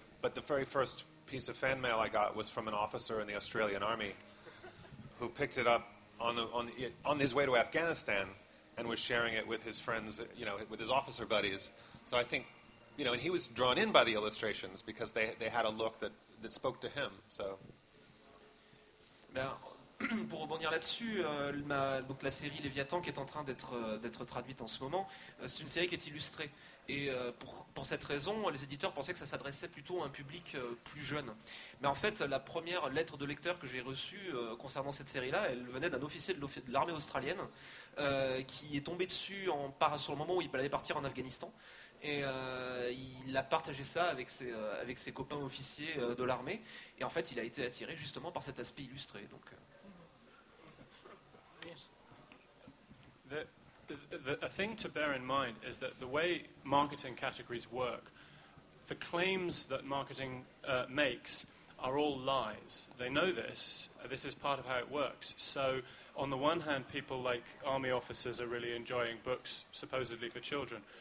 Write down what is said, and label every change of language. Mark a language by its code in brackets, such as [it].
[en] But the very first piece of fan mail I got was from an officer in the Australian Army who picked it up on his way to Afghanistan and was sharing it with his friends, you know, with his officer buddies. So I think, you know, and he was drawn in by the illustrations because they had a look that, that spoke to him, so... [fr] Ben, pour rebondir là-dessus, donc la série Léviathan, qui est en train d'être traduite en ce moment, c'est une série qui est illustrée. Et pour cette raison, les éditeurs pensaient que ça s'adressait plutôt à un public plus jeune. Mais en fait, la première lettre de lecteur que j'ai reçue concernant cette série-là, elle venait d'un officier de l'armée australienne qui est tombé dessus sur le moment où il allait partir en Afghanistan. Et il a partagé ça avec ses copains officiers de l'armée. Et en fait, il a été attiré justement par cet aspect illustré. Donc, [en] a thing to bear in mind is that the way marketing categories work, the claims that marketing makes are all lies. They know this. This is part of how it works. So, on the one hand, people like army officers are really enjoying books supposedly for children.